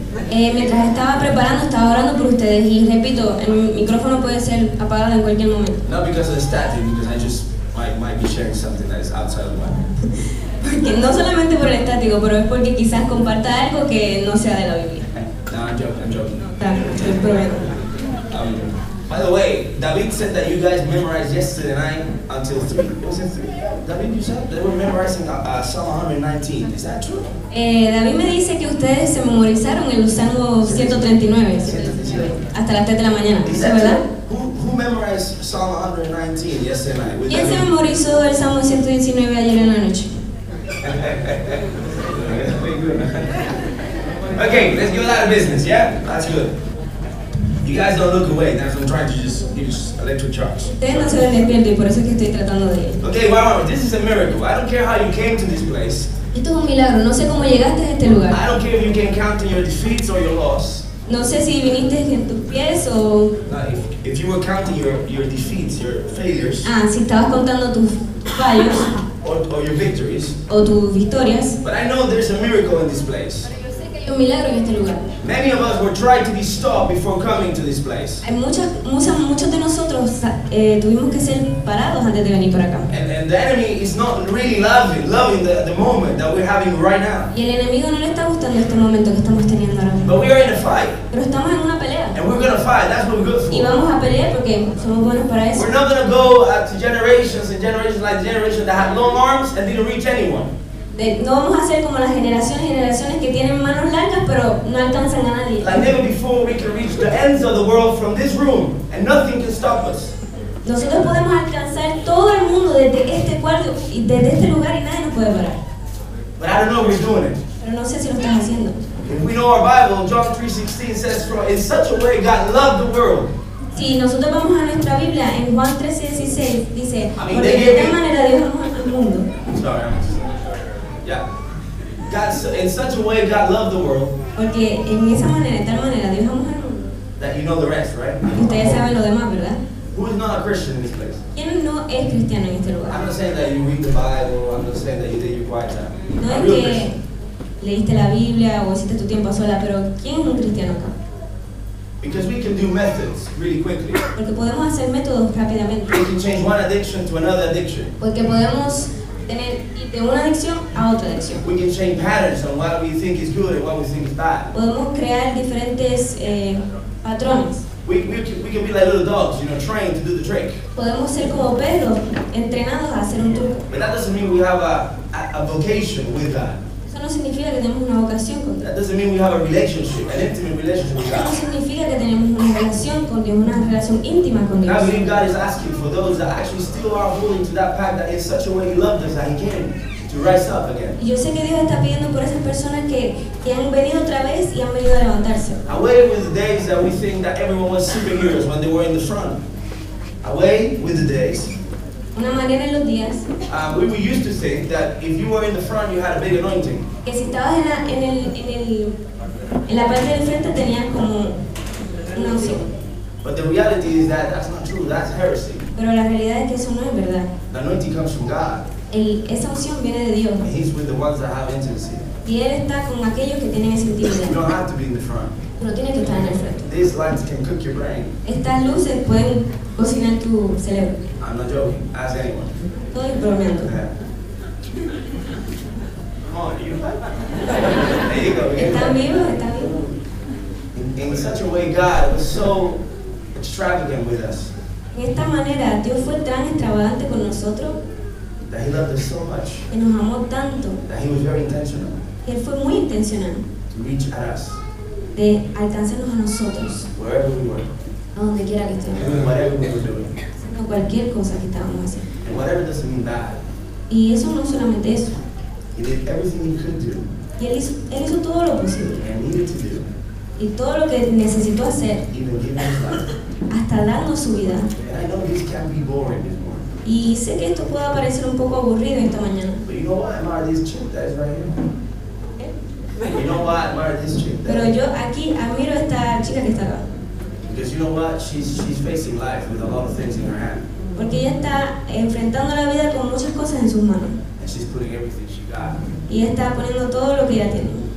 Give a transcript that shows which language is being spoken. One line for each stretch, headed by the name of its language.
Spanish: Mientras estaba preparando, estaba orando por ustedes y repito, el micrófono puede ser apagado en cualquier momento.
English: Not because of the static, because I just might be sharing something that is outside of my.
Spanish: Porque no solamente por el estático, pero es porque quizás comparta algo que no sea de la Biblia.
English: No, I'm joking. By the way, David said that you guys memorized yesterday night until 3. Was it 3? David, you said they were memorizing Psalm 119. Is that true?
Spanish: David me dice que ustedes se memorizaron el Salmo 139 hasta las 3 de la mañana.
English: Is that verdad? Who memorized Psalm 119 yesterday night?
Spanish: ¿Quién se memorizó el Salmo 119 ayer en la noche?
English: Okay, let's do a lot of business, yeah? That's good. You guys don't look away, that's what I'm trying to just give you electric charge.
Spanish: Ustedes no se ven despiertos y por eso es que estoy tratando de ir.
English: Okay, wow, this is a miracle. I don't care how you came to this place.
Spanish: Esto es un milagro, no sé cómo llegaste a este lugar.
English: I don't care if you can count your defeats or your loss.
Spanish: No sé si viniste en tus pies o...
English: No, if you were counting your defeats, your failures.
Spanish: Ah, si estabas contando tus fallos.
English: Or your victories.
Spanish: O tus victorias.
English: But I know there's a miracle in this place.
Spanish: Pero yo sé que hay un milagro en este lugar.
English: Many of us were trying to be stopped before coming to this place.
Spanish: Muchos de nosotros tuvimos que ser parados antes de venir por acá.
English: And the enemy is not really loving the moment that we're having right now.
Spanish: Y el enemigo no le está gustando este momento que estamos teniendo ahora.
English: But we are in a fight.
Spanish: Pero estamos en una pelea.
English: And we're gonna fight. That's what we're good for.
Spanish: Y vamos a pelear porque somos buenos para eso.
English: We're not gonna go to generations and generations like the generation that had long arms and didn't reach anyone.
Spanish: No vamos a ser como las generaciones que tienen manos largas pero no alcanzan a nadie.
English: Like never before we can reach the ends of the world from this room and nothing can stop us.
Spanish: Nosotros podemos alcanzar todo el mundo desde este cuarto y desde este lugar y nadie nos puede parar.
English: But I don't know if we're doing it.
Spanish: Pero no sé si lo estamos haciendo.
English: If we know our Bible, John 3:16 says, "For in such a way God loved the world."
Spanish: Si nosotros vamos a nuestra Biblia en Juan 3:16 dice, porque de esta manera Dios amó al mundo.
English: Sorry. Yeah. God, so in such a way God loved the world.
Spanish: Porque en esa manera, de tal manera, Dios amó al mundo.
English: That you know the rest, right?
Spanish: Ustedes saben lo demás, ¿verdad?
English: Who is not a Christian in this place?
Spanish: ¿Quién no es cristiano en este lugar?
English: I'm not saying that you read the Bible. I'm not saying that you did your quiet time.
Spanish: No es que leíste la Biblia o hiciste tu tiempo a sola, pero ¿quién es un cristiano acá?
English: Because we can do methods really quickly.
Spanish: Porque podemos hacer métodos rápidamente.
English: We can change one addiction to another addiction.
Spanish: Porque podemos tener de una adicción a otra adicción.
English: We can change patterns on what we think is good and what we think is bad.
Spanish: Podemos crear diferentes patrones.
English: We can be like little dogs, you know, trained to do the trick.
Spanish: Podemos ser como perros entrenados a hacer un truco.
English: But that doesn't mean we have a vocation with that.
Spanish: Eso no significa que tenemos una vocación con Dios.
English: That doesn't mean we have a relationship, an intimate relationship with God.
Spanish: Eso no significa que tenemos una relación con Dios, una relación íntima con Dios.
English: I believe God is asking for those that actually still are holding to that pact that in such a way He loved us that He came to rise up again.
Spanish: Yo sé que Dios está pidiendo por esas personas que han venido otra vez y han venido a levantarse.
English: Away with the days that we think that everyone was superheroes when they were in the front. Away with the days.
Spanish: Una manera en los días.
English: We used to think that if you were in the front, you had a big anointing.
Spanish: Que si estabas en la parte del frente tenías como una unción.
English: But the reality is that that's not true. That's heresy.
Spanish: Pero la realidad es que eso no es verdad.
English: The anointing comes from God.
Spanish: Esa unción viene de Dios.
English: And He's with the ones that have intimacy.
Spanish: Y él está con aquellos que tienen esa intimidad.
English: You don't have to be in the front.
Spanish: No tienes que estar en el frente.
English: These lights can cook your brain.
Spanish: Estas luces pueden cocinar tu cerebro.
English: I'm not joking. Ask anyone.
Spanish: Todo es bromeando.
English: Come on, you. There you go.
Spanish: Está vivo.
English: In such a way, God was so extravagant with us.
Spanish: En esta manera, Dios fue tan extravagante con nosotros.
English: That He loved us so much.
Spanish: Que nos amó tanto.
English: That He was very intentional.
Spanish: Que él fue muy intencional.
English: To reach at us.
Spanish: De alcanzarnos a nosotros.
English: Wherever we were.
Spanish: A donde quiera que estemos.
English: Whatever we were doing.
Spanish: Cualquier cosa que estábamos haciendo.
English: And whatever doesn't mean bad.
Spanish: Y eso no solamente eso.
English: He did everything he could do.
Spanish: Y él hizo todo lo posible.
English: And needed to do.
Spanish: Y todo lo que necesitó hacer. Hasta dando su vida.
English: And I know this can be boring this morning.
Spanish: Y sé que esto pueda parecer un poco aburrido esta mañana.
English: But you know why I admire this chick that is right here. You know why I admire this chick.
Spanish: Pero yo aquí admiro a esta chica que está acá.
English: Because you know what, she's facing life with a lot of things in her hand.
Spanish: Porque ella está enfrentando la vida con muchas cosas en sus manos.
English: And she's putting everything she got.
Spanish: Y está poniendo todo lo que ella tiene.